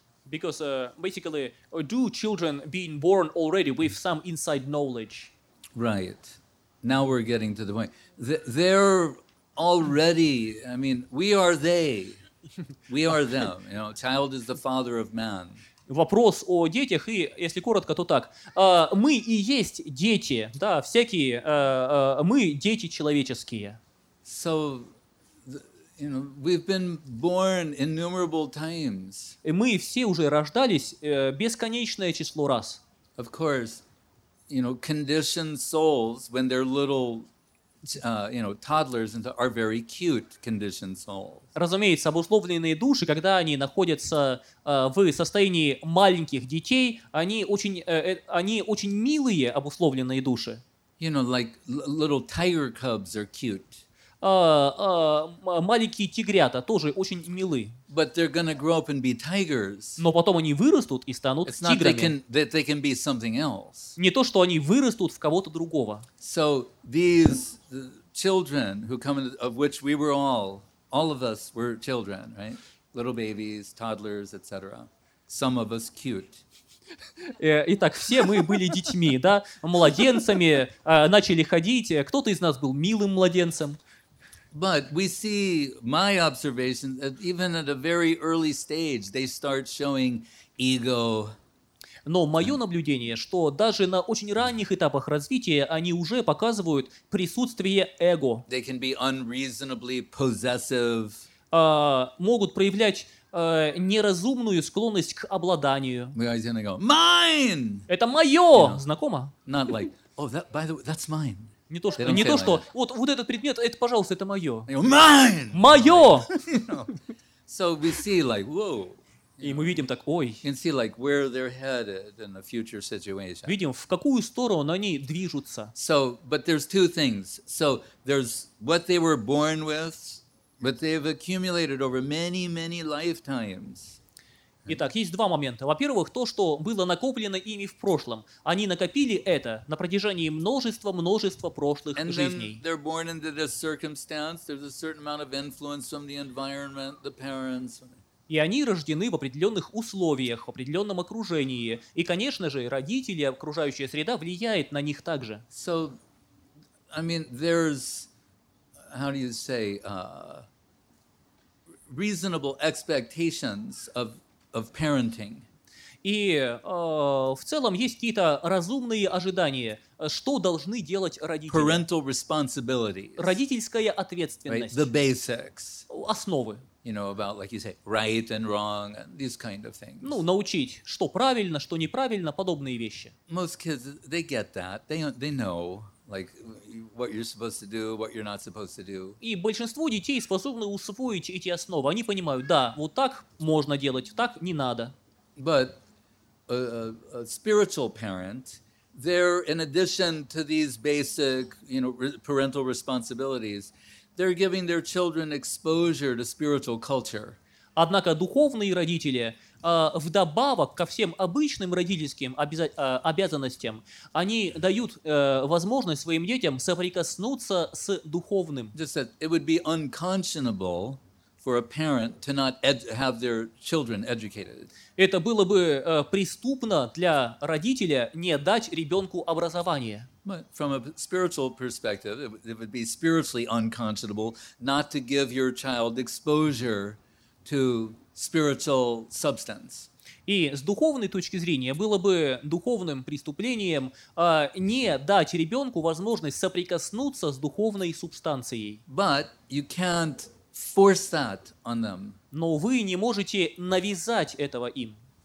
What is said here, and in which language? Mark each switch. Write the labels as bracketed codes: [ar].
[en] Because basically, do children being born already with some inside knowledge? Right. Now we're getting to the point. They're already, I mean, we are they. We are them. You know, child is the father of man. [ru] Вопрос о детях, и если коротко, то так. Мы и есть дети, да, всякие, мы дети человеческие. [en] So, you know, we've been born innumerable times. [ru] И мы все уже рождались бесконечное число раз. [en] Of course. You know, conditioned souls when they're little, you know, toddlers and are very cute conditioned souls. [ru] Разумеется, обусловленные души, когда они находятся в состоянии маленьких детей, они очень милые обусловленные души. [en] You know, like little tiger cubs are cute. [ru] Маленькие тигрята тоже очень милы. [en] But they're gonna grow up and be tigers. [ru] Но потом они вырастут и станут [en] It's [ru] тиграми. [en] Not they can be something else. [ru] Не то, что они вырастут в кого-то другого. [en] So these children who come in, of which we were all of us were children, right? Little babies, toddlers, etc. Some of us cute. [ru] Итак, все мы были детьми, да, младенцами, начали ходить. Кто-то из нас был милым младенцем. [en] But we see my observations even at a very early stage, they start showing ego. [ru] Но мое наблюдение, что даже на очень ранних этапах развития они уже показывают присутствие эго. [en] They can be unreasonably possessive. [ru] Могут проявлять неразумную склонность к обладанию. [en] We are gonna go, mine! [ru] Это мое! [en] You know, [ru] знакомо? [en] Not like, oh, that, by the way, that's mine. [ru] Не то, что, не то, что [en] like [ru] вот, вот этот предмет, это, пожалуйста, это мое. [en] Go, mine! [ru] Мое! [en] You know, so we see like, whoa. [ru] И мы видим так, ой. [en] And see, like, where they're headed in a future situation. Видим, в какую сторону они движутся. So, but there's two things. So, there's what they were born with, but they've accumulated over many, many lifetimes. [ru] Итак, есть два момента. Во-первых, то, что было накоплено ими в прошлом. Они накопили это на протяжении множества-множества прошлых and жизней. [en] And they're born into this circumstance. There's a certain amount of influence from the environment, the parents. [ru] И они рождены в определенных условиях, в определенном окружении. И, конечно же, родители, окружающая среда влияет на них также. [en] So, I mean, there's, how do you say, reasonable expectations of parenting. [ru] И в целом есть какие-то разумные ожидания, что должны делать родители. [en] Parental responsibilities. [ru] Родительская ответственность. [en] Right? The basics. [ru] Основы. [en] You know, about, like you say, right and wrong, and these kind of things. [ru] Ну, научить, что правильно, что неправильно, подобные вещи. [en] Most kids, they get that. They know, like, what you're supposed to do, what you're not supposed to do. [ru] И большинство детей способны усвоить эти основы. Они понимают, да, вот так можно делать, так не надо. [en] But a spiritual parent, they're, in addition to these basic, you know, parental responsibilities, they're giving their children exposure to spiritual culture. [ru] Однако духовные родители, вдобавок ко всем обычным родительским обязанностям, они дают возможность своим детям соприкоснуться с духовным. [en] Just that it would be unconscionable for a parent to not have their children educated. [ru] Это было бы преступно для родителя не дать ребенку образование. [en] But from a spiritual perspective, it would be spiritually unconscionable not to give your child exposure to spiritual substance. [ru] И с духовной точки зрения было бы духовным преступлением не дать ребенку возможность соприкоснуться с духовной субстанцией. [en] But you can't force that on them. [ru] Но вы не можете навязать этого им.